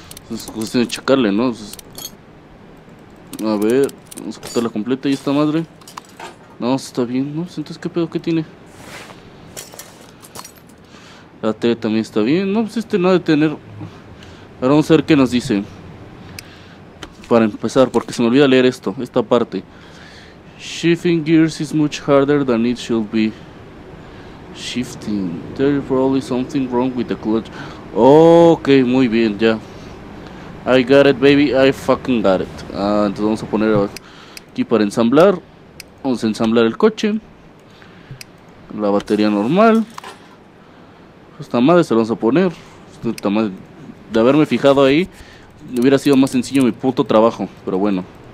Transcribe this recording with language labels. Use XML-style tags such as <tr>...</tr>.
<es>Es cuestión de checarle, ¿no? Pues, a ver, vamos a quitarla completa y esta madre. No, está bien, ¿no? Entonces, ¿qué pedo que tiene? La T también está bien. No, pues este no ha de tener. Ahora vamos a ver qué nos dice. Para empezar, porque se me olvida leer esto, esta parte.</es> <en>Shifting gears is much harder than it should be. Shifting. There is probably something wrong with the clutch. Ok,</en> <es>muy bien, ya.</es> <en>I got it, baby. I fucking got it.</en> <es>Ah, entonces vamos a poner aquí para ensamblar. Vamos a ensamblar el coche. La batería normal. Esta madre se la vamos a poner. Esta madre. De haberme fijado ahí, hubiera sido más sencillo mi puto trabajo. Pero bueno.</es>